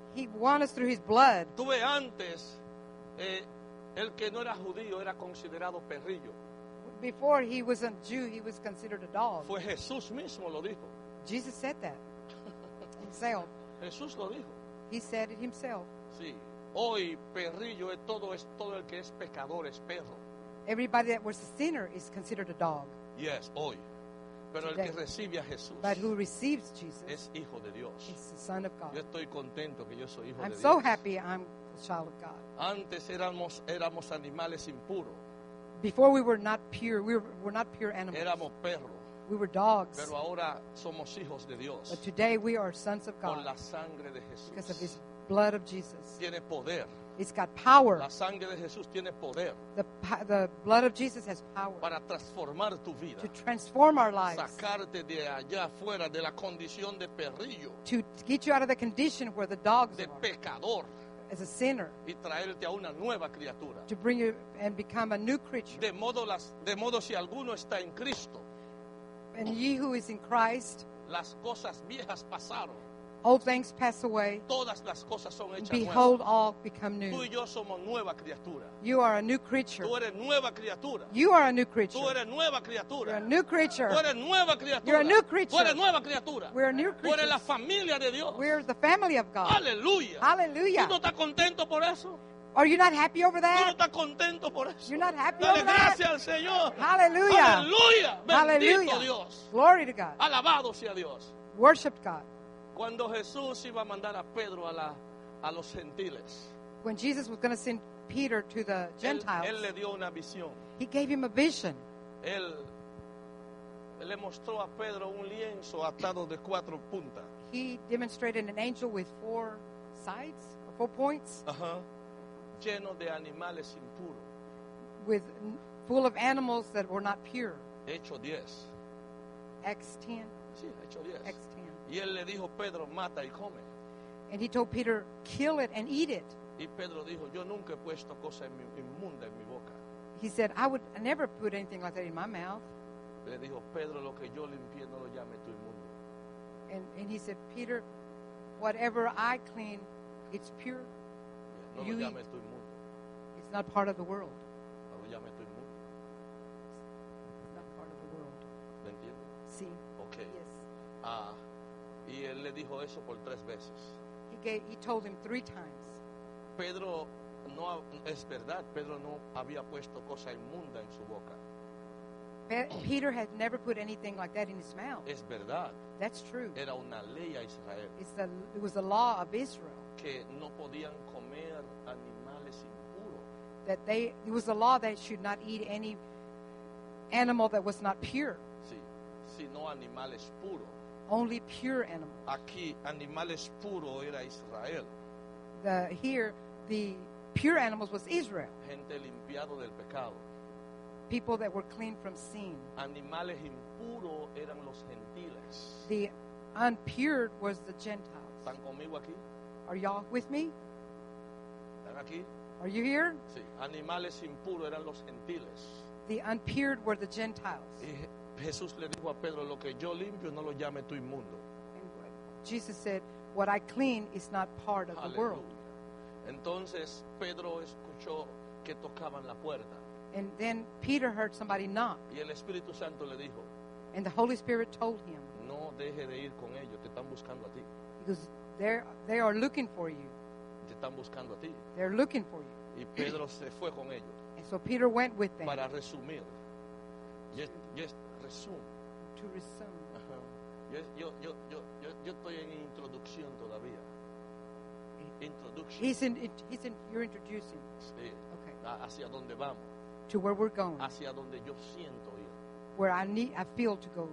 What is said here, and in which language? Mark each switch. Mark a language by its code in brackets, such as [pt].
[en] He won us through his blood. [es] Tuve antes, el que no era judío era considerado perrillo. [en] Before he was a Jew, he was considered a dog. [es] Fue Jesús mismo lo dijo. [en] Jesus said that himself. [es] Jesús lo dijo. [en] He said it himself. [es] Sí. Hoy perrillo es todo el que es pecador es perro. [en] Everybody that was a sinner is considered a dog. [es] Yes, hoy. Pero el que recibe a Jesús [en] But who receives Jesus [es] es hijo de Dios. [en] Is the son of God. [es] Yo estoy contento que yo soy hijo [en] I'm [es] de [en] so [es] Dios. [en] Happy I'm a child of God. [es] Antes éramos animales impuros. [en] Before we were not pure, we were not pure animals. [es] Éramos perros. [en] We were dogs. [es] Pero ahora somos hijos de Dios. [en] But today we are sons of God. [es] Con la sangre de Jesús. [en] Because of his blood of Jesus. [es] Tiene poder. [en] It's got power. [es] La sangre de Jesús tiene poder. [en] The blood of Jesus has power. [es] Para transformar tu vida. [en] To transform our lives. [es] Sacarte de allá afuera de la condición de perrillo. [en] To get you out of the condition where the dogs [es] de [en] are. [es] De pecador. [en] As a sinner. [es] Y traerte a una nueva criatura. [en] To bring you and become a new creature. [es] De modo si alguno está en Cristo. [en] And ye who is in Christ. [es] Las cosas viejas pasaron. [en] Old things pass away. [es] Todas las cosas son hechas [en] Behold, [es] nuevas. [en] All become new. [es] Tú y yo somos nueva criatura. [en] You are a new creature. [es] Tú eres nueva criatura. [en] You are a new creature. [es] Tú eres nueva criatura. [en] You're a new creature. [es] Tú eres nueva criatura. [en] You're a new creature. [es] Tú eres nueva criatura. [en] We're a new creature. [es] Tú eres la familia de Dios. [en] We're the family of God. [es] Aleluya. [en] Hallelujah. [es] ¿Tú no estás contento por eso? [en] Are you not happy over that? [es] ¿Tú no estás contento por eso? [en] You're not happy [es] Dale [en] over that? [es] Dale gracias al Señor. [en] Hallelujah. Hallelujah. Hallelujah. [es] Bendito Dios. [en] Glory to God. [es] Alabado sea Dios. [en] Worship God. [es] Cuando Jesús iba a mandar a Pedro a los gentiles. [en] When Jesus was going to send Peter to the Gentiles. [es] Él le dio una visión. [en] He gave him a vision. [es] Él le mostró a Pedro un lienzo atado de cuatro puntas. [en] He demonstrated an angel with four sides, four points. [es] Lleno de animales impuros. [en] With full of animals that were not pure. [es] Hecho 10. [en] Acts 10. [es] Sí, hecho 10. [en] Acts 10. [es] Y él le dijo, Pedro, mata y come. [en] And he told Peter, kill it and eat it. [es] Y Pedro dijo, yo nunca he puesto cosa inmunda en mi boca. [en] He said, I would never put anything like that in my mouth. [es] Le dijo, Pedro, lo que yo limpié no lo llame tu inmundo. [en] And he said, Peter, whatever I clean, it's pure. [es] No lo llame tu inmundo. [en] It's not part of the world. [es] No lo llame tu inmundo. [en] It's not part of the world. [es] ¿Me entiendes? Sí. [en] Okay. Yes. [es] Y él le dijo eso por tres veces. [en] He told him three times. [es] Pedro no es verdad. Pedro no había puesto cosa inmunda en su boca. [en] Peter had never put anything like that in his mouth. [es] Es verdad. [en] That's true. [es] Era una ley a Israel. [en] It was the law of Israel. [es] Que no podían comer animales impuros. [en] That they it was the law that should not eat any animal that was not pure. [es] Sí, sino animales puros. [en] Only pure animals. [es] Aquí, animales puro era Israel. [en] The pure animals was Israel. [es] Gente limpiado del pecado. [en] People that were clean from sin. [es] Animales impuro eran los gentiles. [en] The unpure was the Gentiles. [es] ¿Están conmigo aquí? [en] Are y'all with me? [es] ¿Están aquí? [en] Are you here? [es] Sí. Animales impuro eran los gentiles. [en] The unpure were the Gentiles. [es] Y Jesús le dijo a Pedro, lo que yo limpio no lo llame tú inmundo. [en] Jesus said, what I clean is not part of the world. [es] Entonces Pedro escuchó que tocaban la puerta. [en] And then Peter heard somebody knock. [es] Y el Espíritu Santo le dijo, [en] and the Holy Spirit told him, [es] no deje de ir con ellos, te están buscando a ti. [en] Because they are looking for you. [es] Te están buscando a ti. [en] They're looking for you. [es] Y Pedro se fue con ellos. [en] And so Peter went with them. [es] Para resumir. [en] Yes, resume. To resume. [es] Yes, yo estoy en introducción todavía. [en] Introduction. You're introducing. [es] Sí. Okay. Hacia donde vamos. [en] To where we're going. [es] Hacia donde yo siento ir. [en] Where I feel to go.